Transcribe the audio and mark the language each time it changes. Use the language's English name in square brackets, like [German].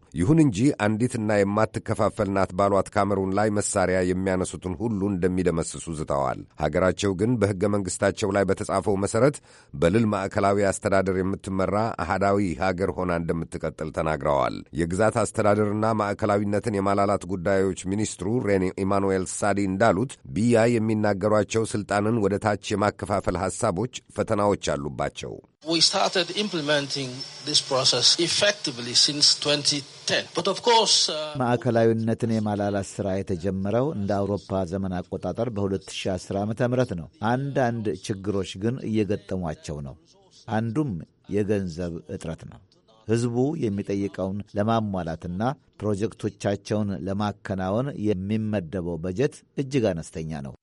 [Amharic] ይሁን እንጂ አንዲትና የማትከፋፈል ናት ባሏት ካሜሩን ላይ መሳሪያ የሚያነሱትን ሁሉ እንደሚደመስሱ ዝተዋል። ሀገራቸው ግን በሕገ መንግሥታቸው ላይ በተጻፈው መሠረት በልዕለ ማዕከላዊ አስተዳደር የምትመራ አህዳዊ ሀገር ሆና እንደምትቀጥል ተናግረዋል። የግዛት አስተዳደርና ማዕከላዊነትን የማላላት ጉዳዮች ሚኒስትሩ ሬኒ ኢማኑኤል ሳዲ እንዳሉት ቢያ የሚናገሯቸው ሥልጣንን ወደ ታች የማከፋፈል ሐሳቦች ፈተናዎች አሉባቸው። [English] We started implementing this process effectively since 2010. But of course, [Amharic] ማዕከላዊነትን የማላላት ስራ የተጀመረው እንደ አውሮፓ ዘመን አቆጣጠር በ2010 ዓ.ም ነው። አንዳንድ ችግሮች ግን እየገጠሟቸው ነው። አንዱም የገንዘብ እጥረት ነው። ህዝቡ የሚጠይቀውን ለማሟላትና ፕሮጀክቶቻቸውን ለማከናወን የሚመደበው በጀት እጅግ አነስተኛ ነው።